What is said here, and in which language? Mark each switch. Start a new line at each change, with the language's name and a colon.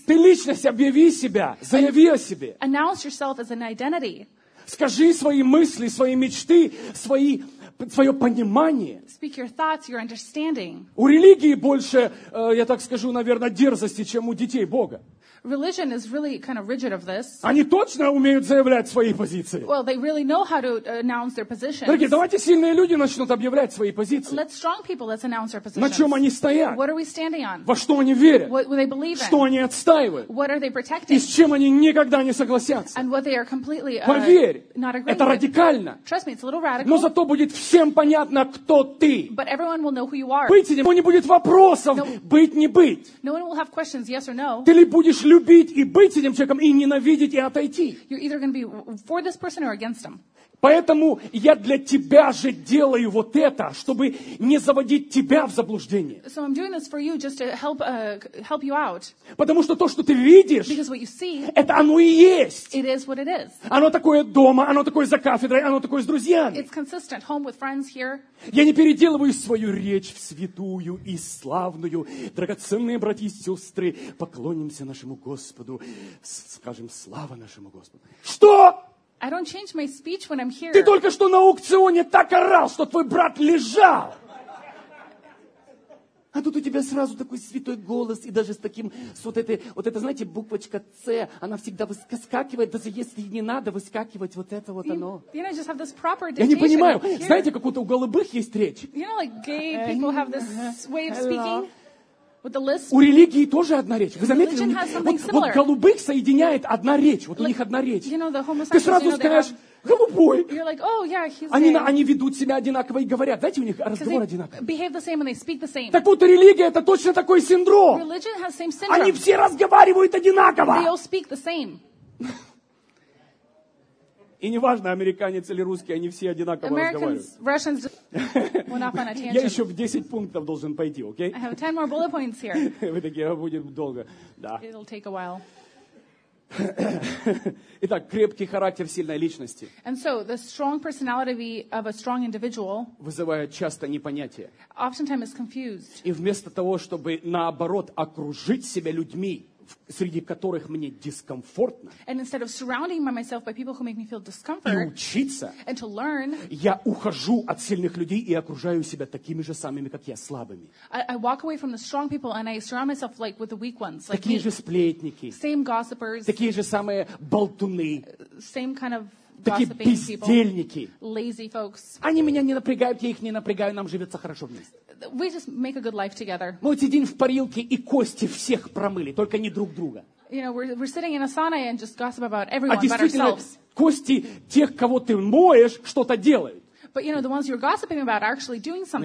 Russian: Ты личность, объяви себя, заяви о себе.
English: Announce yourself as an identity.
Russian: Скажи свои мысли, свои мечты, свое понимание.
English: Speak your thoughts, your understanding.
Russian: У религии больше, я так скажу, наверное, дерзости, чем у детей Бога.
English: Religion is really kind of rigid of this.
Russian: Они точно умеют заявлять свои позиции.
English: Well, they really know how to announce their positions.
Russian: Дорогие, давайте сильные люди начнут объявлять свои позиции.
English: Let strong people let's announce their positions.
Russian: На чем они стоят?
English: What are we standing on?
Russian: Во что они верят?
English: What do they believe in?
Russian: Что они отстаивают?
English: What are they protecting?
Russian: И с чем они никогда не согласятся?
English: And what they are completely not agreeing.
Russian: Поверь, это радикально.
English: Trust me, it's a little radical.
Russian: Но зато будет всем понятно, кто ты.
English: But everyone will know who you are.
Russian: Быть или не будет вопросов, быть не быть.
English: No one will have questions, yes or no.
Russian: Ты ли будешь любить и быть этим человеком, и ненавидеть, и отойти.
English: You're either going to be for this person or against them.
Russian: Поэтому я для тебя же делаю вот это, чтобы не заводить тебя в заблуждение.
English: So I'm doing this for you just to help you out.
Russian: Потому что то, что ты видишь,
English: because what you see,
Russian: это оно и есть.
English: It is what it is.
Russian: Оно такое дома, оно такое за кафедрой, оно такое с друзьями.
English: It's consistent, home with friends here.
Russian: Я не переделываю свою речь в святую и славную. Драгоценные братья и сестры, поклонимся нашему Господу. Скажем, слава нашему Господу. Что?
English: I don't change my speech when I'm here.
Russian: Ты только что на аукционе так орал, что твой брат лежал. А тут у тебя сразу такой святой голос, и даже с таким, с вот этой, вот это, знаете, буквочка С, она всегда выскакивает, даже если не надо выскакивать, вот это вот оно.
English: You know, just have this proper dictation.
Russian: Я не понимаю, знаете, как у голубых есть речь?
English: You know, like gay people have this way of speaking? With the lisp.
Russian: У религии тоже одна речь. Вы заметили?
English: Religion has something similar.
Russian: Вот голубых соединяет одна речь. Вот у них одна речь.
English: You know, the homosexuals,
Russian: ты сразу
English: you know,
Russian: скажешь,
English: they have...
Russian: голубой.
English: You're like, oh, yeah, he's gay.
Russian: Они ведут себя одинаково и говорят. Знаете, у них разговор одинаковый.
English: Behave the same and they speak the same.
Russian: Так вот, религия — это точно такой синдром.
English: Religion has same syndrome.
Russian: Они все разговаривают одинаково.
English: They all speak the same.
Russian: И неважно, американец или русский, они все одинаково
English: Americans,
Russian: разговаривают. Я еще в 10 пунктов должен пойти, окей?
English: Okay? I have 10 more bullet points here.
Russian: Вы такие, будет долго. Да.
English: It'll take a while.
Russian: Итак, крепкий характер сильной личности.
English: And so, the strong personality of a strong individual
Russian: вызывает часто непонятие.
English: Oftentimes is confused.
Russian: И вместо того, чтобы наоборот окружить себя людьми, среди которых мне дискомфортно.
English: And instead of surrounding myself by people who make me feel discomfort,
Russian: и учиться,
English: and to learn,
Russian: я ухожу от сильных людей и окружаю себя такими же самыми, как я, слабыми.
English: I walk away from the strong people and I surround myself like with the weak ones. Like
Russian: такие
English: me.
Russian: Же сплетники.
English: Same gossipers.
Russian: Такие же самые болтуны.
English: Same kind of
Russian: такие бездельники.
English: People, lazy folks.
Russian: Они меня не напрягают, я их не напрягаю, нам живется хорошо вместе.
English: We just make a good life together.
Russian: Мы вот сидим в парилке и кости всех промыли, только не друг друга.
English: You know, we're sitting in a sauna and just gossip about everyone,
Russian: а действительно,
English: but ourselves.
Russian: Кости тех, кого ты моешь, что-то делают.
English: But you know, the ones you're gossiping about are actually doing something.